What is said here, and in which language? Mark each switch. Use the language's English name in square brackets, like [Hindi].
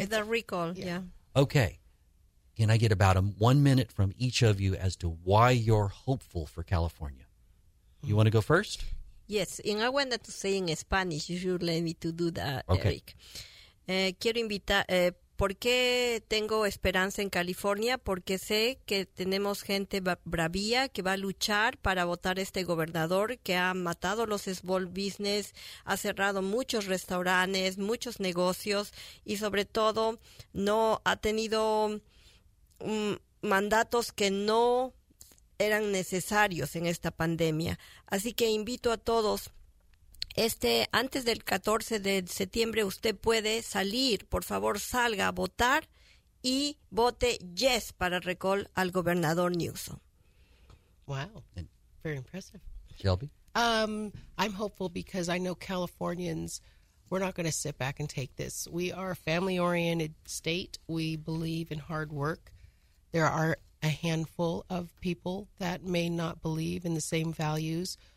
[English] It's a recall, yeah. Okay. Can I get about 1 minute from each of you as to why you're hopeful for California? You want to go first? Yes. And I wanted to say in Spanish, you should let me to do that, okay. [Spanish] Eric. Quiero invitar. ¿Por qué tengo esperanza en California? Porque sé que tenemos gente bravía que va a luchar para votar este gobernador que ha matado los [English] small business, [Spanish] ha cerrado muchos restaurantes, muchos negocios y sobre todo no ha tenido mandatos que no eran necesarios en esta pandemia. Así que invito a todos. Antes del 14 de septiembre usted puede salir, por favor salga a votar y vote [English] yes [Spanish] para recall al gobernador Newsom. [English] Wow, very impressive. Shelby? I'm hopeful because I know Californians, we're not going to sit back and take this. We are a family-oriented state. We believe in hard work. There are a handful of people that may not believe in the same values.